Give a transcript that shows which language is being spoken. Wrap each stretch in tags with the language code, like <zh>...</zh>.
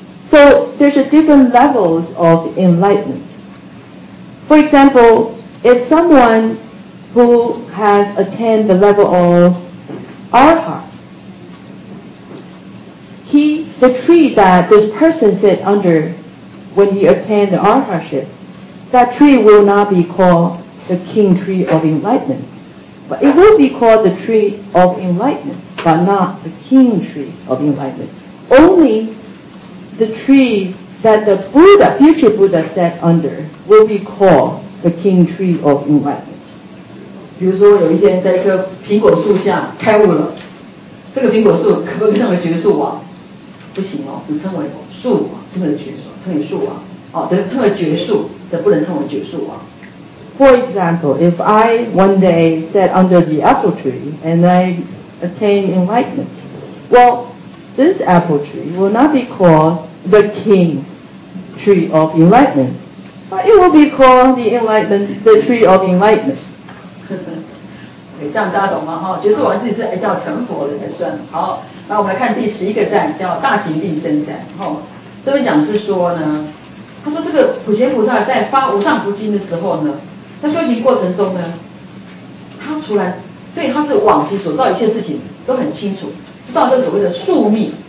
<en>So there's a different levels of enlightenment. For example, if someone who has attained the level ofArhat, the tree that this person sit under when he attained the Arhatship, that tree will not be called the King Tree of Enlightenment, but it will be called the Tree of Enlightenment, but not the King Tree of Enlightenment. Only the tree that the Buddha, future Buddha, sat under will be called the King Tree of Enlightenment.</en> <zh>比如说有一天在一棵苹果树下开悟了，这个苹果树可不可以称为觉树王？不行哦，只称为树王，称为觉树，称为树王。哦，只称为觉树，这不能称为觉树王。</zh> <en>For example, if I one day sat under the apple tree and I attained enlightenment, well, this apple tree will not be called the king tree of enlightenment, but it will be called the tree of enlightenment.</en> <zh>这样大家懂吗？觉树王自己是要成佛的才算。好，那我们来看第十一个赞，叫大行定身赞。这边讲是说呢，他说这个普贤菩萨在发无上菩提心的时候呢，他修行过程中呢，他除了对他是往昔所造一切事情都很清楚，知道这所谓的宿命。</zh>